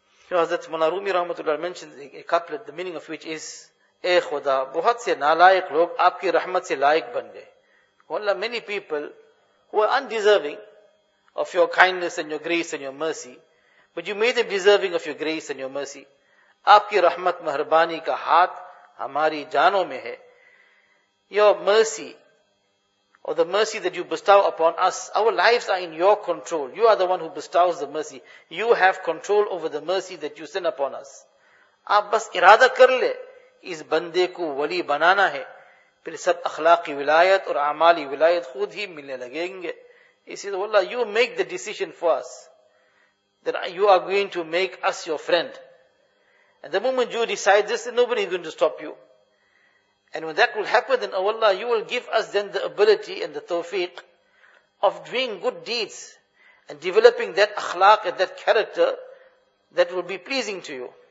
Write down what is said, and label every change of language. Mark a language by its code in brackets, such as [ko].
[en] Hazrat Manarumi rahmatullah mentioned a couplet, the meaning of which is, [ur] اے خدا بہت سے نالائق لوگ آپ کی رحمت سے لائق بن گئے. [en] Allah, many people who are undeserving of your kindness and your grace and your mercy, but you made them deserving of your grace and your mercy. [ur] آپ کی رحمت مہربانی کا ہاتھ ہماری جانوں میں ہے. [en] Your mercy, or the mercy that you bestow upon us, our lives are in your control. You are the one who bestows the mercy. You have control over the mercy that you send upon us. [ur] آپ بس ارادہ کر لے اس بندے کو ولی بنانا ہے, پھر سب اخلاقی ولایت اور اعمالی ولایت خود ہی ملنے لگیں گے. [en] He says, Allah, you make the decision for us that you are going to make us your friend. And the moment you decide this, then nobody is going to stop you. And when that will happen, then, oh Allah, you will give us then the ability and the tawfiq of doing good deeds and developing that akhlaq and that character that will be pleasing to you.